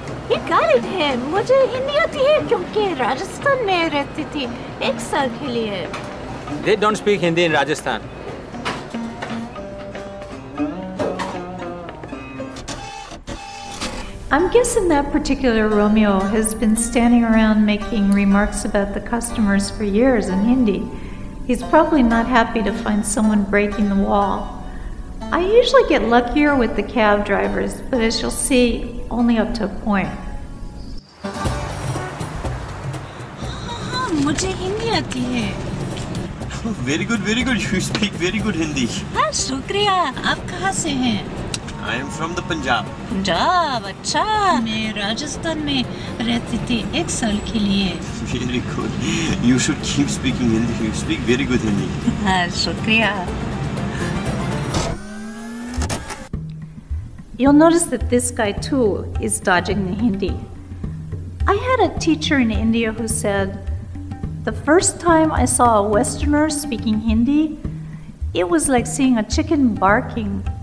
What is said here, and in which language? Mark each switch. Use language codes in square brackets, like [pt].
[hi] ये गलत है, मुझे हिंदी आती है क्योंकि राजस्थान में रहती थी एक साल के लिए. [en] They don't speak Hindi in Rajasthan. I'm guessing that particular Romeo has been standing around making remarks about the customers for years in Hindi. He's probably not happy to find someone breaking the wall. I usually get luckier with the cab drivers, but as you'll see, only up to a point. [hi] मुझे हिंदी आती है। [en] Very good, very good. You speak very good Hindi. [hi] हाँ, शुक्रिया. आप कहाँ से हैं? [en] I am from the Punjab. [hi] Punjab, अच्छा. मैं राजस्थान में रहती थी एक साल के लिए. [en] Very good. You should keep speaking Hindi. You speak very good Hindi. [hi] हाँ, शुक्रिया. [en] You'll notice that this guy too is dodging the Hindi. I had a teacher in India who said, "The first time I saw a Westerner speaking Hindi, it was like seeing a chicken barking."